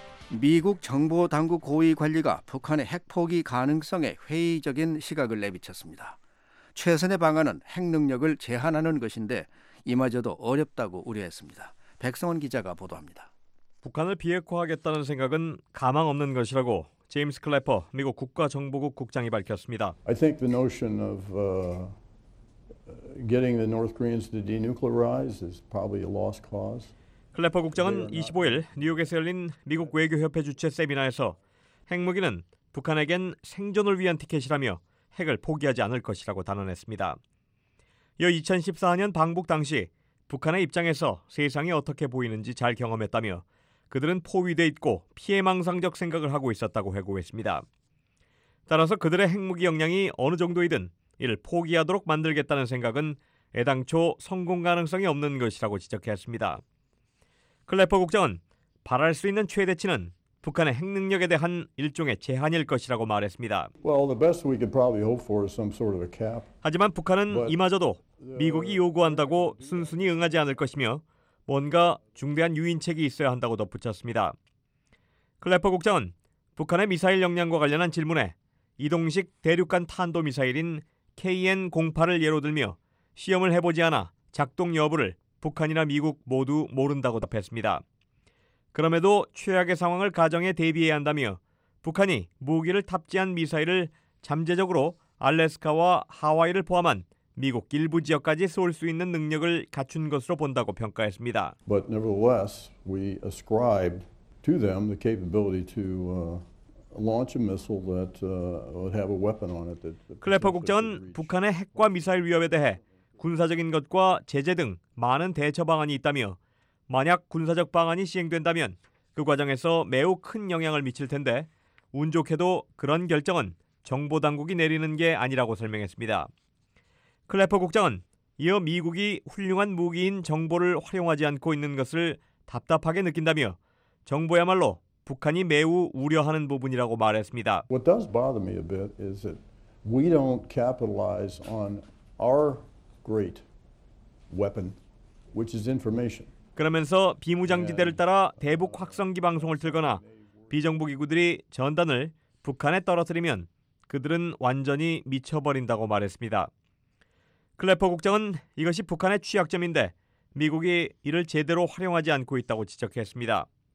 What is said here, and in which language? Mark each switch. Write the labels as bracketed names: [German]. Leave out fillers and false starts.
[Korean] 미국 정보당국 고위 관리가 북한의 핵포기 가능성에 회의적인 시각을 내비쳤습니다. 최선의 방안은 핵능력을 제한하는 것인데 이마저도 어렵다고 우려했습니다. 백성원 기자가 보도합니다. 북한을 비핵화하겠다는 생각은 가망 없는 것이라고 제임스 클래퍼 미국 국가정보국 국장이 밝혔습니다. [English] I think the notion of getting the North Koreans to denuclearize is probably a lost cause. [Korean] 클래퍼 국장은 25일 뉴욕에서 열린 미국 외교협회 주최 세미나에서 핵무기는 북한에겐 생존을 위한 티켓이라며 핵을 포기하지 않을 것이라고 단언했습니다. 이어 2014년 방북 당시 북한의 입장에서 세상이 어떻게 보이는지 잘 경험했다며 그들은 포위돼 있고 피해망상적 생각을 하고 있었다고 회고했습니다. 따라서 그들의 핵무기 역량이 어느 정도이든 이를 포기하도록 만들겠다는 생각은 애당초 성공 가능성이 없는 것이라고 지적했습니다. 클래퍼 국장은 바랄 수 있는 최대치는 북한의 핵능력에 대한 일종의 제한일 것이라고 말했습니다. [English] Well, the best we could probably hope for is some sort of a cap. [Korean] 하지만 북한은 이마저도 미국이 요구한다고 순순히 응하지 않을 것이며 뭔가 중대한 유인책이 있어야 한다고 덧붙였습니다. 클래퍼 국장은 북한의 미사일 역량과 관련한 질문에 이동식 대륙간 탄도미사일인 KN-08을 예로 들며 시험을 해보지 않아 작동 여부를 북한이나 미국 모두 모른다고 답했습니다. 그럼에도 최악의 상황을 가정해 대비해야 한다며 북한이 무기를 탑재한 미사일을 잠재적으로 알래스카와 하와이를 포함한 미국 일부 지역까지 쏠 수 있는 능력을 갖춘 것으로 본다고 평가했습니다. [English] But nevertheless, we ascribed to them the capability to launch a missile that would have a weapon on it. [Korean] 클래퍼 국장은 북한의 핵과 미사일 위협에 대해 군사적인 것과 제재 등 많은 대처 방안이 있다며 만약 군사적 방안이 시행된다면 그 과정에서 매우 큰 영향을 미칠 텐데 운 좋게도 그런 결정은 정보 당국이 내리는 게 아니라고 설명했습니다. 클래퍼 국장은 이어 미국이 훌륭한 무기인 정보를 활용하지 않고 있는 것을 답답하게 느낀다며 정보야말로 북한이 매우 우려하는 부분이라고 말했습니다. [English] What does bother me a bit is that we don't capitalize on our great weapon, which is information. [Korean] 그러면서 비무장지대를 따라 대북 확성기 방송을 틀거나 비정부기구들이 전단을 북한에 떨어뜨리면 그들은 완전히 미쳐버린다고 말했습니다. 클래퍼 국장은 이것이 북한의 취약점인데 미국이 이를 제대로 활용하지 않고 있다고 지적했습니다.